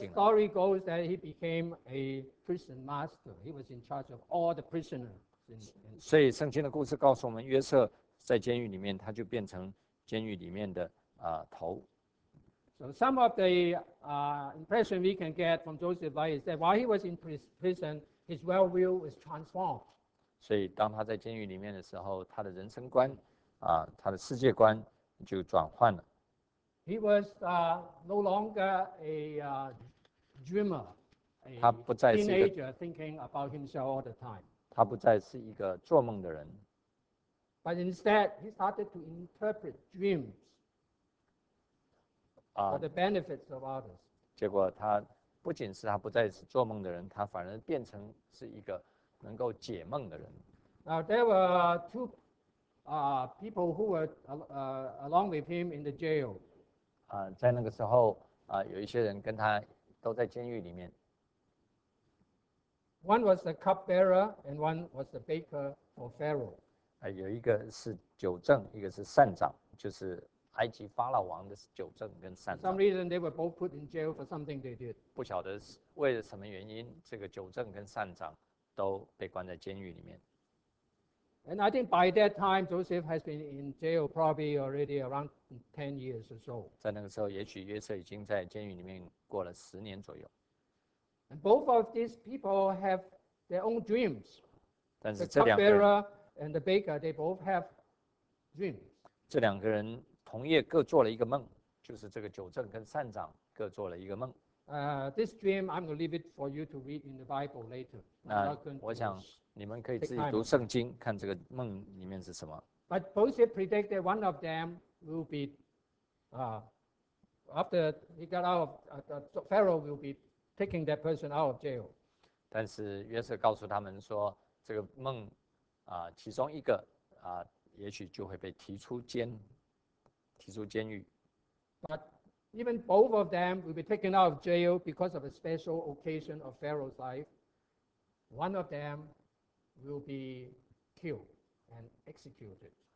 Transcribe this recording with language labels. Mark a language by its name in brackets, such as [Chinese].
[English] So the story goes that he became a prison master. He was in charge of all the prisoners. [Chinese] 所以圣经的故事告诉我们，约瑟在监狱里面，他就变成监狱里面的头。 [English] So some of the impression we can get from Joseph is that while he was in prison, his worldview was transformed. [Chinese] 所以当他在监狱里面的时候，他的人生观他的世界观就转换了。 [English] He was no longer a dreamer, a teenager thinking about himself all the time. [Chinese] 他不再是一个做梦的人。 [English] But instead, he started to interpret dreams for the benefits of others. [Chinese] 结果他不仅是他不再是做梦的人，他反而变成是一个能够解梦的人。 [English] Now there were two. People who were along with him in the jail. [Chinese] 在那个时候，有一些人跟他都在监狱里面。 [English] One was the cupbearer, and one was the baker for Pharaoh. [Chinese] 有一个是酒政，一个是膳长，就是埃及法老王的酒政跟膳长。 [English] For some reason, they were both put in jail for something they did. [Chinese] 不晓得为了什么原因，这个酒政跟膳长都被关在监狱里面。 [English] And I think by that time, Joseph has been in jail probably already around 10 years or so. [Chinese] 在那个时候，也许约瑟已经在监狱里面过了十年左右。 [English] And both of these people have their own dreams. [Chinese] 但是这两个人 [English] ，the cupbearer and the baker, they both have dreams. [Chinese] 这两个人同夜各做了一个梦，就是这个酒政跟膳长各做了一个梦。 [English] This dream I'm going to leave it for you to read in the Bible later. [Chinese] 那我想你们可以自己读圣经，看这个梦里面是什么。 [English] But Joseph predicted one of them will be, after he got out, Pharaoh will be taking that person out of jail. [Chinese] 但是约瑟告诉他们说，这个梦，其中一个，也许就会被提出监狱。 [English] But even both of them will be taken out of jail because of a special occasion of Pharaoh's life. One of them will be killed and executed.